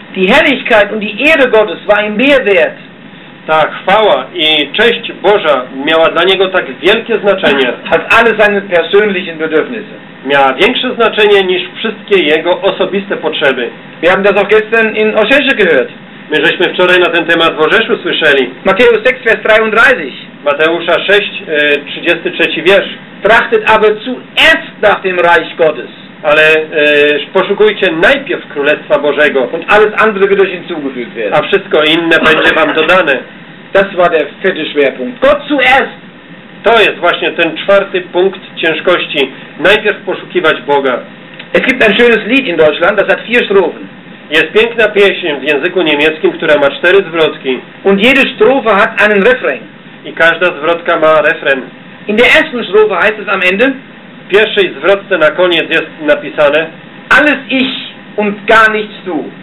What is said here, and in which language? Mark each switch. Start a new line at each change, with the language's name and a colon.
German: Die Herrlichkeit und die Ehre Gottes war ihm mehr wert.
Polish: Ta chwała i cześć Boża miała dla niego tak wielkie znaczenie.
German: Als alle seine persönlichen Bedürfnisse.
Polish: Miała większe znaczenie niż wszystkie jego osobiste potrzeby.
German: Wir haben das auch gestern in Orzeszu gehört.
Polish: My żeśmy wczoraj na ten temat w Orzeszu słyszeli.
German: Mateusz 6, vers 33.
Polish: Mateusza 6, 33 wiersz.
German: Trachtet aber zuerst nach dem Reich Gottes.
Polish: Ale poszukujcie najpierw Królestwa Bożego.
German: Und alles andere wird euch hinzugefügt werden.
Polish: A wszystko inne będzie wam dodane.
German: Das war der vierte Schwerpunkt. Gott zuerst.
Polish: To jest właśnie ten czwarty punkt ciężkości. Najpierw poszukiwać Boga.
German: Es gibt ein schönes Lied in Deutschland, das hat vier Strophen.
Polish: Jest piękna pieśń w języku niemieckim, która ma cztery zwrotki.
German: Und jede Strophe hat einen Refrain.
Polish: I każda zwrotka ma refren.
German: In der ersten Strophe heißt es am Ende.
Polish: W pierwszej zwrotce na koniec jest napisane:
German: Alles ich und gar nichts du.